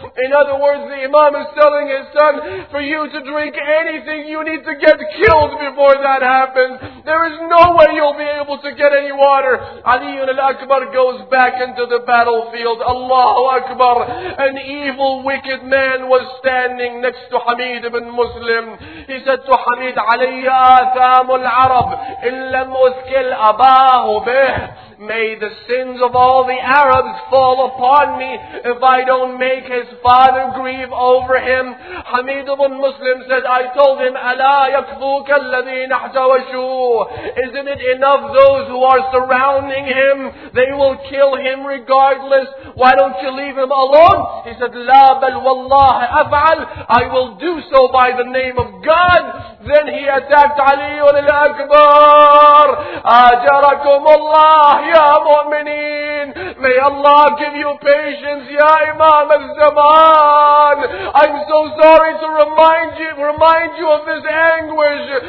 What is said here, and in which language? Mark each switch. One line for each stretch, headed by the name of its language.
English: In other words, the Imam is telling his son, for you to drink anything, you need to get killed before that happens. There is no way you'll be able to get any water. Ali ibn al-Akbar goes back into the battlefield. Allahu Akbar. An evil, wicked man was standing next to Hamid ibn Muslim. He said to Hamid,
Arabic: عَلَيَّ آثَامُ الْعَرَبِ إِن لَمْ أُسْكِلْ أَبَاهُ بِهِ.
English: May the sins of all the Arabs fall upon me if I don't make his father grieve over him. Hamid ibn Muslim said, I told him,
Arabic: أَلَا يَكْفُوكَ الَّذِينَ احْتَوَشُوهُ.
English: Isn't it enough those who are surrounding him? They will kill him regardless. Why don't you leave him alone? He said,
Arabic: لَا بَلْ وَاللَّهِ أَفْعَلْ.
English: I will do so by the name of God. Then he attacked Ali ibn al-Akbar.
Arabic: أَجَرَكُمُ اللَّهِ.
English: Ya mu'mineen, may Allah give you patience, Ya Imam al-Zaman. I'm so sorry to remind you of this anguish.